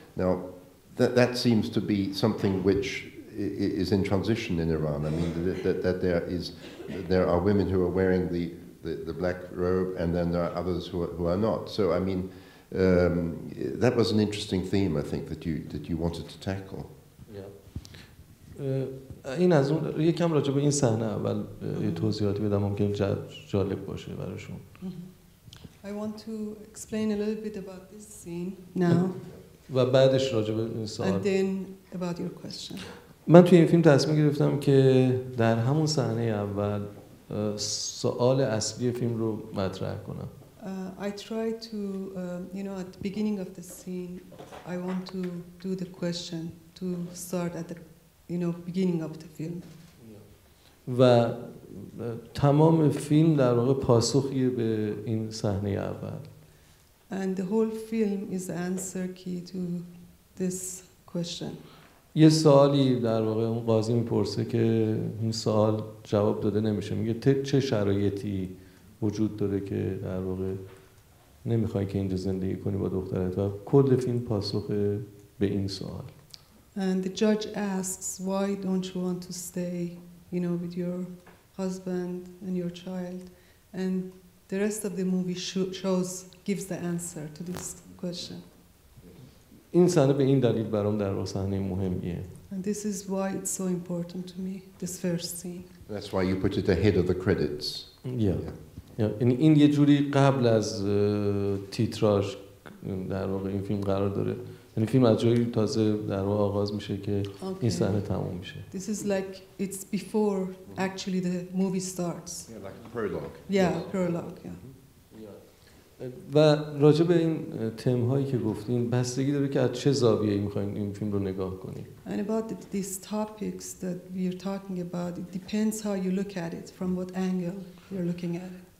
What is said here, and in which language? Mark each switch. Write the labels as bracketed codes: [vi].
[en] Now, that seems to be something which is in transition in Iran. I mean, that there are women who are wearing the black robe, and then there are others who are not. So, I mean, that was an interesting theme, I think, that you wanted to tackle. [fa] این از اون یکم راجع به این صحنه اول توضیحاتی بدم ممکن جالب باشه براشون. [en] I want to explain a little bit about this scene now. [fa] و بعدش راجع به این سوال. [en] And then about your question. [fa] من توی این فیلم تصمیم گرفتم که در همون صحنه اول سوال اصلی فیلم رو مطرح کنم. [en] I try to at the beginning of the scene I want to do the question to start at the beginning of the film. [fa] و تمام فیلم در واقع پاسخی به این صحنه اول. [en] And the whole film is the answer key to this question. [fa] یه سوالی در واقع اون قاضی میپرسه که این سوال جواب داده نمیشه. میگه چه شرایطی وجود داره که در واقع نمیخوای که اینجا زندگی کنی با دخترت و کل فیلم پاسخ به این سوال. [en] And the judge asks, why don't you want to stay, with your husband and your child? And the rest of the movie gives the answer to this question. [fa] این صحنه به این دلیل برام در واقع صحنه مهمیه. [en] And this is why it's so important to me, this first scene. That's why you put it ahead of the credits. Yeah. [fa] این یه جوری قبل از تیتراژ در واقع این فیلم قرار داره. یعنی فیلم از جایی تازه در واقع آغاز میشه که okay. این صحنه تموم میشه. [en] This is like it's before actually the movie starts. Yeah, like a prologue. Yeah, yes. Prologue. Yeah. [fa] و راجع به این تم هایی که گفتین بستگی داره که از چه زاویه‌ای می‌خواید این فیلم رو نگاه کنید. [en] And about these topics that we are talking about, it depends how you look at it, from what angle you're looking at it.